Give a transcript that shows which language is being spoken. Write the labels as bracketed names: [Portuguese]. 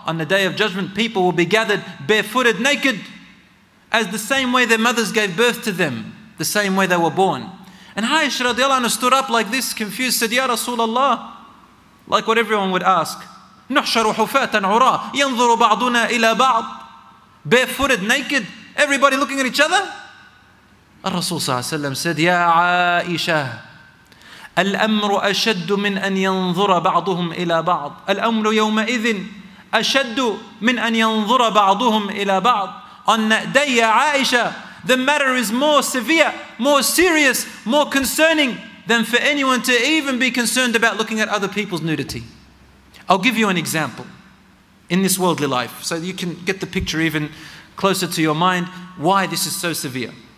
[English] On the day of judgment, people will be gathered barefooted, naked, as the same way their mothers gave birth to them, the same way they were born. And Aisha radiallahu anha stood up like this, confused, said, Ya Rasulallah, like what everyone would ask, [Arabic] نُحْشَرُ حُفَاتًا عُرَاهُ يَنْظُرُ بَعْضُنَا إِلَى بَعْضٍ. [English] Barefooted, naked, everybody looking at each other. [Arabic] الرسول صلى الله عليه وسلم said, يا عائشة الأمر أشد من أن ينظر بعضهم إلى بعض. الأمر يومئذ أشد من أن ينظر بعضهم إلى بعض. [English] On that day, [Arabic] يا عائشة, [English] the matter is more severe, more serious, more concerning than for anyone to even be concerned about looking at other people's nudity. I'll give you an example in this worldly life so you can get the picture even closer to your mind why this is so severe.